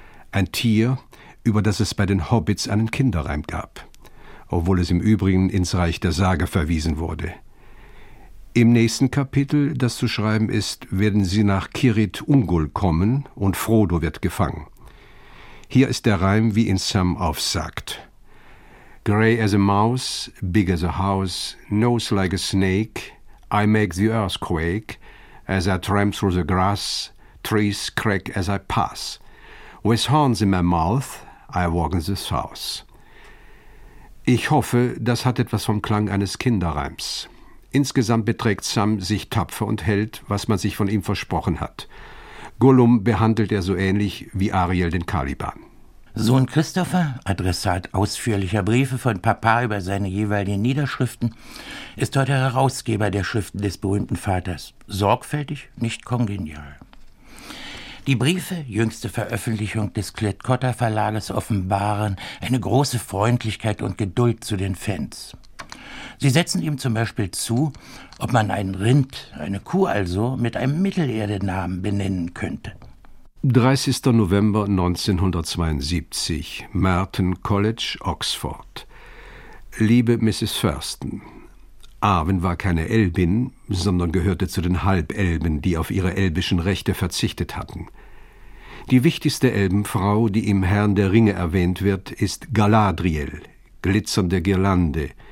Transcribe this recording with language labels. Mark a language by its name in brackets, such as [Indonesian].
[German] Ein Tier, über das es bei den Hobbits einen Kinderreim gab. Obwohl es im Übrigen ins Reich der Sage verwiesen wurde. Im nächsten Kapitel, das zu schreiben ist, werden sie nach Kirith Ungol kommen und Frodo wird gefangen. Hier ist der Reim, wie ihn Sam aufsagt. [English] Grey as a mouse, big as a house, nose like a snake, I make the earth quake, as I tramp through the grass, trees crack as I pass. With horns in my mouth, I walk in the south. [German] Ich hoffe, das hat etwas vom Klang eines Kinderreims. Insgesamt beträgt Sam sich tapfer und hält, was man sich von ihm versprochen hat. Gollum behandelt er so ähnlich wie Ariel den Caliban. Sohn Christopher, Adressat ausführlicher Briefe von Papa über seine jeweiligen Niederschriften, ist heute Herausgeber der Schriften des berühmten Vaters. Sorgfältig, nicht kongenial. Die Briefe, jüngste Veröffentlichung des Klett-Cotta-Verlages, offenbaren eine große Freundlichkeit und Geduld zu den Fans. Sie setzen ihm zum Beispiel zu, ob man einen Rind, eine Kuh also, mit einem Mittelerdenamen benennen könnte. 30. November 1972, Merton College, Oxford. Liebe Mrs. Thurston, Arwen war keine Elbin, sondern gehörte zu den Halbelben, die auf ihre elbischen Rechte verzichtet hatten. Die wichtigste Elbenfrau, die im Herrn der Ringe erwähnt wird, ist Galadriel, glitzernde Girlande.